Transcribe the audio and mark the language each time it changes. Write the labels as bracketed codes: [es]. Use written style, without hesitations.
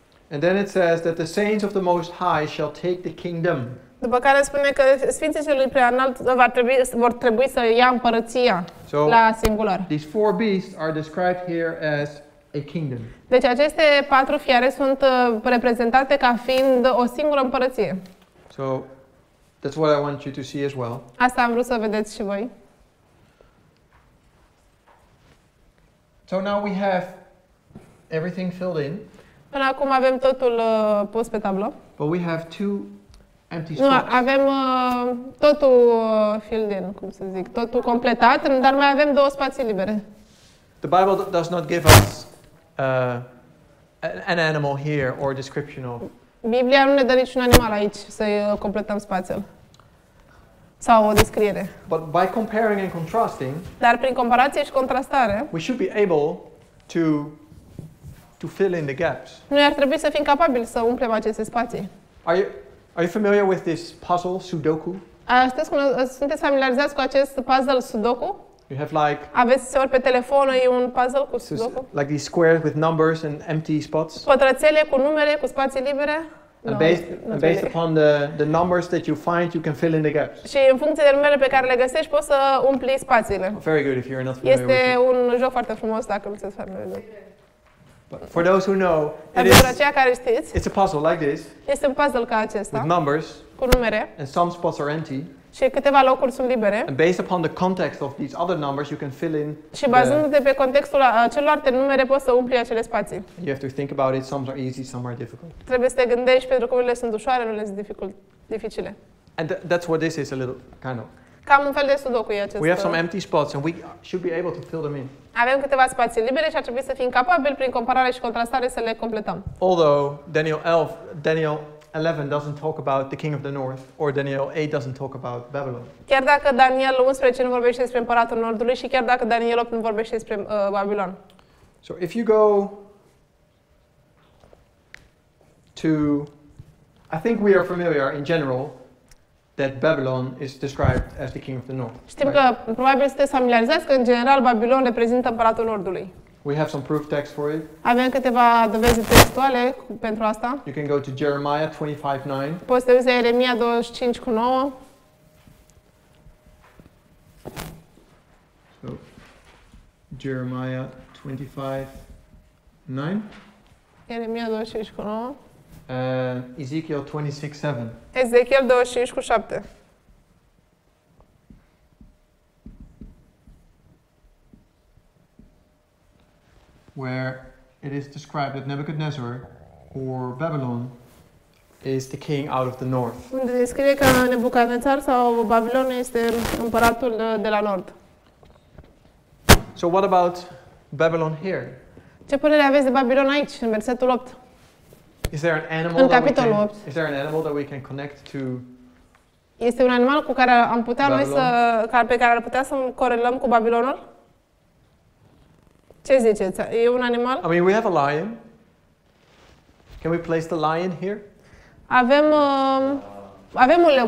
[en] And then it says that the saints of the Most High shall take the kingdom. [ro] După care spune că sfinții celui preanalt vor trebui să ia împărăția so la singular. [en] These four beasts are described here as a kingdom. [ro] Deci aceste patru fiare sunt reprezentate ca fiind o singură împărăție. [en] So That's what I want you to see as well. [ro] Asta am vrut să vedeți și voi. [en] So now we have everything filled in. [ro] Până acum avem totul pus pe tablă. [en] But we have two empty spots. [ro] Nu, avem totul [en] filled in, [ro] cum să zic, totul completat, dar mai avem două spații libere. [en] The Bible does not give us an animal here or a description of. [ro] Biblia nu ne dă niciun animal aici să completăm spațiul. Sau o descriere. [en] But by comparing and contrasting, [ro] dar prin comparație și contrastare, [en] we should be able to fill in the gaps. [ro] Noi ar trebui să fim capabili să umplem aceste spații. [en] Are you familiar with this puzzle Sudoku? [ro] Sunteți familiarizați cu acest puzzle Sudoku? [en] You have like [ro] aveți ori pe telefon e un puzzle cu Sudoku? [en] Like these squares with numbers and empty spots? [ro] Pătrățele cu numere cu spații libere? [en] And based upon the numbers that you find, you can fill in the gaps. [ro] Și în funcție de numerele pe care le găsești, poți să umpli spațiile. [en] Very good if you're not familiar. [ro] Este un joc foarte frumos dacă nu sunteți familiar. [en] But for those who know, it's a puzzle like this. [ro] Este un puzzle ca acesta. [en] With numbers. [ro] Cu numere. [en] And some spots are empty. [ro] Și câteva locuri sunt libere. [en] And based upon the context of these other numbers, you can fill in. [ro] Și bazându-te pe contextul celorlalte numere, poți să umpli acele spații. [en] You have to think about it. Some are easy, some are difficult. [ro] Trebuie să te gândești pentru că unele sunt ușoare, unele sunt dificile. [en] And that's what this is a little kind of. [ro] Cam un fel de sudoku e acest. [en] We have some empty spots and we should be able to fill them in. [ro] Avem câteva spații libere și ar trebui să fim capabili prin comparare și contrastare să le completăm. [en] Although Daniel 11 doesn't talk about the king of the north or Daniel 8 doesn't talk about Babylon. [ro] Chiar dacă Daniel 11 nu vorbește despre împăratul nordului și chiar dacă Daniel 8 nu vorbește despre Babilon. [en] So if you go to I think we are familiar in general that Babylon is described as the king of the north. [ro] Știm că probabil sunteți familiarizați că în general Babilon reprezintă împăratul nordului. [en] We have some proof text for it. [ro] Avem câteva dovezi textuale pentru asta. [en] You can go to Jeremiah 25:9. [ro] Poți să vezi Ieremia 25:9. [en] So Jeremiah 25:9. [ro] Ieremia 25:9. [en] Ezekiel 26:7. [ro] Ezekiel 25:7. [en] Where it is described that Nebuchadnezzar or Babylon is the king out of the north. [ro] Unde descrie că Nebucadnezar sau Babilon este împăratul de la nord. [en] So what about Babylon here? [ro] Ce părere aveți de Babilon aici în versetul 8? [en] Is there an animal in that we can 8. Is there an animal that we can connect to? [ro] Este un animal cu care am putea noi să pe care ar putea să corelăm cu Babilonul? Ce ziceți? E un animal? [en] I mean, we have a lion. Can we place the lion here? [ro] Avem un leu.